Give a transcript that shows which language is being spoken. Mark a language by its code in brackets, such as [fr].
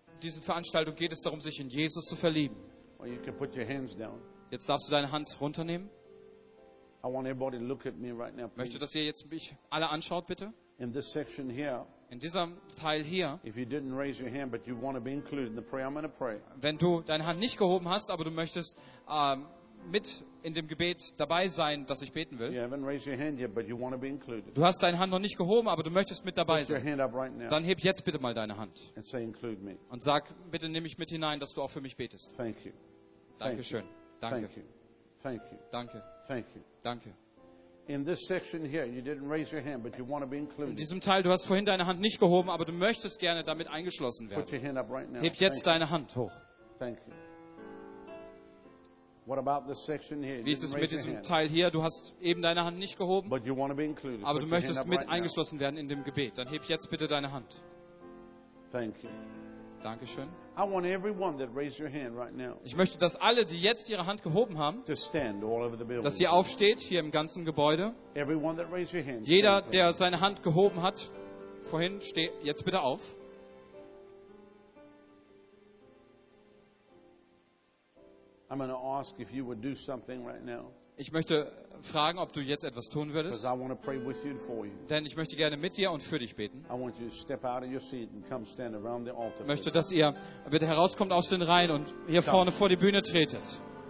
[de] Diese Veranstaltung geht es darum, sich in Jesus zu verlieben. [en] Well, you can put your hands down. [de] Jetzt darfst du deine Hand runternehmen. [en] I want everybody to look at me right now, please. [de] Möchte, dass ihr jetzt mich alle anschaut, bitte. [en] In this section here, [de] in diesem Teil hier, wenn du deine Hand nicht gehoben hast, aber du möchtest mit in dem Gebet dabei sein, dass ich beten will, du hast deine Hand noch nicht gehoben, aber du möchtest mit dabei sein, [en] right, [de] dann heb jetzt bitte mal deine Hand [en] and say, include me. [de] Und sag, bitte nehme ich mit hinein, dass du auch für mich betest. [en] Thank you. [de] Dankeschön. [en] Thank you. [de] Danke. [en] Thank you. [de] Danke. [en] In this section here, you didn't raise your hand, but you want to be included. [de] In diesem Teil, du hast vorhin deine Hand nicht gehoben, aber du möchtest gerne damit eingeschlossen werden. [en] Put your hand up right now. Heb jetzt deine Hand hoch. Thank you. What about this section here? [de] Wie ist es mit diesem Teil hier? Du hast eben deine Hand nicht gehoben, [en] but you want to be included. [de] Aber du möchtest mit eingeschlossen werden in dem Gebet. Dann heb jetzt bitte deine Hand. [en] Thank you. [de] Dankeschön. [en] I want everyone that raised your hand right now. [de] Ich möchte, dass alle, die jetzt ihre Hand gehoben haben, [en] to stand all over the building. [de] Dass sie aufsteht hier im ganzen Gebäude. [en] Everyone that raised your hand. [de] Jeder, der seine Hand gehoben hat, vorhin, steht jetzt bitte auf. [en] I'm going to ask if you would do something right now. [de] Ich möchte fragen, ob du jetzt etwas tun würdest. Denn ich möchte gerne mit dir und für dich beten. Ich möchte, dass ihr bitte herauskommt aus den Reihen und hier vorne vor die Bühne tretet.